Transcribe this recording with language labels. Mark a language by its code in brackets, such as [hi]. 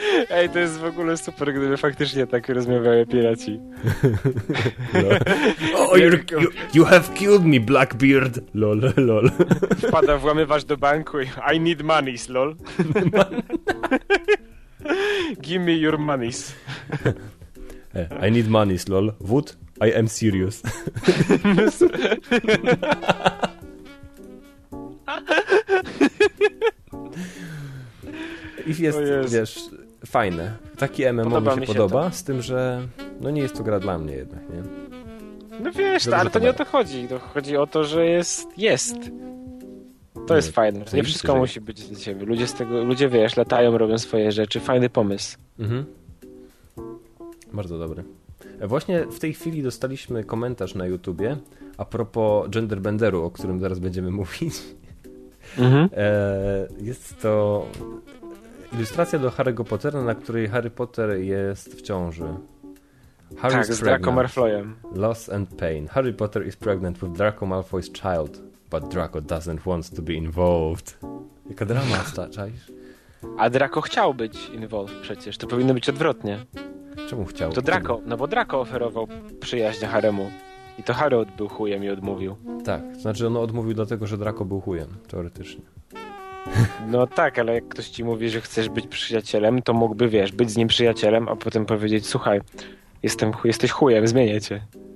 [pl] Ej, to jest w ogóle super, gdyby faktycznie tak rozmawiali piraci. No. [en] Oh, you have killed me, Blackbeard. Lol, lol. [pl] Wpada włamywacz do banku. [en] I need monies, lol. Give me your monies. I need monies, lol. What? I am serious. [pl] I jest, wiesz, fajne. Taki MMO mi się podoba, to. Z tym, że no nie jest to gra dla mnie jednak, nie? No wiesz, ale to nie o to chodzi. To chodzi o to, że jest. To jest fajne. To nie wszystko musi być dla ciebie. Ludzie z tego, ludzie, wiesz, latają, robią swoje rzeczy. Fajny pomysł. Mhm. Bardzo dobry. Właśnie w tej chwili dostaliśmy komentarz na YouTubie a propos genderbenderu, o którym zaraz będziemy mówić. Mhm. Jest to ilustracja do Harry'ego Pottera, na której Harry Potter jest w ciąży. Harry's tak, z Draco Malfoyem. [en] Loss and pain. Harry Potter is pregnant with Draco Malfoy's child, but Draco doesn't want to be involved. [pl] Jaka drama, czaisz? A Draco chciał być involved przecież. To powinno być odwrotnie. Czemu chciał? To Draco. No bo Draco oferował przyjaźń Harremu. I to Harry był chujem i odmówił. Tak, znaczy on odmówił dlatego, że Draco był chujem, teoretycznie. No tak, ale jak ktoś ci mówi, że chcesz być przyjacielem, to mógłby, wiesz, być z nim przyjacielem, a potem powiedzieć, słuchaj, jesteś chujem, zmienię cię.